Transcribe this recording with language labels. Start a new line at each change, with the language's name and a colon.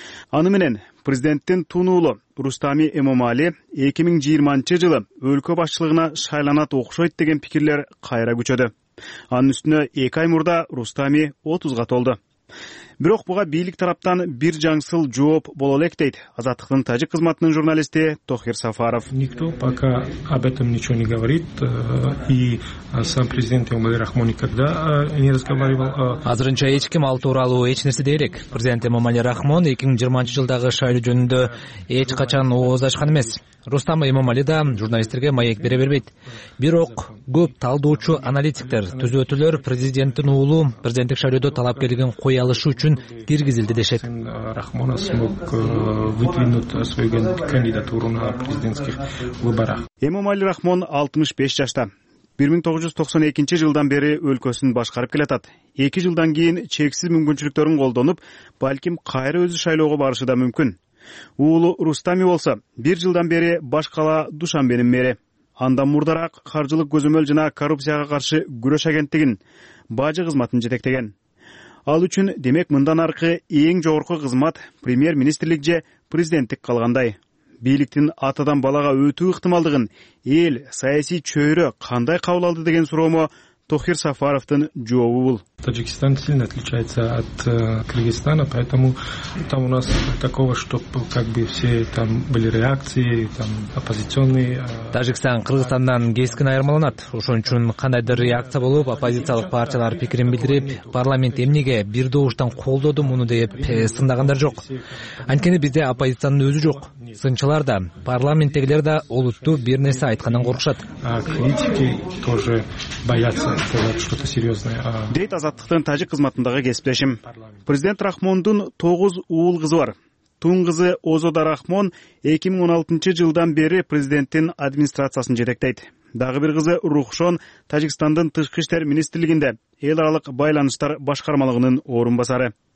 Kyrgyz: Аны менен президенттин тунуулу Рустами Эмомали 2020-жылы өлкө башчылыгына шайланат окшойт деген пикирлер кайра күчөдү. Анын үстүнө 2 ай мурда Рустами 30га толду. Бирок буга бийлик тараптан бир жаңсыл жооп боло элек дейт Азаттыктын тажик кызматынын журналисти Тохир Сафаров.
Russian: Никто пока об этом ничего не говорит, и сам президент Эмомали Рахмон никогда не разговаривал.
Kyrgyz: Азырынча эч ким ал тууралуу эч нерсе дей элек. Президент Эмомали Рахмон 2020-жылдагы шайлоо жөнүндө эч качан ооз ачкан эмес. Рустам Эмомали да журналисттерге маек бере бербейт. Бирок көп талдоочу аналитиктер, түзөтүүлөр президенттин уулу президенттик шайлоодо талапкерлигин кое алышы үчүн киргизилди дешет.
Russian: Рахмон смог выдвинуть свою кандидатуру на президентских выборах.
Kyrgyz: Эмомали Рахмон 65 жашта. 1992-жылдан бери өлкөсүн башкарып келатат. 2 жылдан кийин чексиз мүмкүнчүлүктөрүн колдонуп, балким кайра өзү шайлоого барышы да мүмкүн. Уулу Рустами болсо, 1 жылдан бери баш кала Душанбенин мэри. Андан мурдараак каржылык көзөмөл жана коррупцияга каршы күрөш агенттигин бажы кызматын жетектеген. Ал үчүн, демек, мындан аркы эң жогорку кызмат премьер-министрлик же президенттик калгандай. Бийликтин атадан балага өтүү ыктымалдыгын эл саясий чөйрө кандай кабыл алды деген суроомо Тохир Сафаровдун жообу бул.
Russian: Таджикистан сильно отличается от Кыргызстана, поэтому там у нас такого, чтобы как бы все там были реакции, там оппозиционные.
Kyrgyz: Таджикистан Кыргызстандан кескин айырмаланат. Ошон үчүн кандайдыр реакция болуп, оппозициялык партиялар пикирин билдирип, парламент эмнеге бир добуштан колдоду муну деп сындагандар жок. Анткени бизде оппозициянын өзү жок. Сынчылар да, парламенттегилер да олуттуу бир нерсе айткандан коркушат.
Russian: А критики тоже боятся сказать что-то серьезное.
Kyrgyz: Азаттыктын тажик кызматындагы кесиптешим. Президент Рахмондун 9 уул кызы бар. Туң кызы Озода Рахмон 2016-жылдан бери президенттин администрациясын жетектейт. Дагы бир кызы Рухшон Тажикстандын тышкы иштер министрлигинде эл аралык байланыштар башкармалыгынын орун басары.